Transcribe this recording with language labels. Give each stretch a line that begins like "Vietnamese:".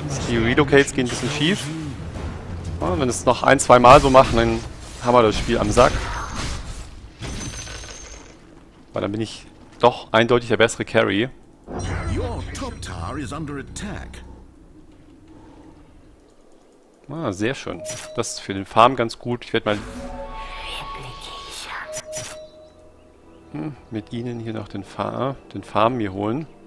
German: Relocates gehen ein bisschen schief. Ja, wenn es noch ein, zwei Mal so machen, dann haben wir das Spiel am Sack. Weil dann bin ich doch eindeutig der bessere Carry.
English: Your top tower is under attack.
German: Ah, sehr schön. Das ist für den Farm ganz gut. Ich werde mal mit ihnen hier noch den Farm mir holen.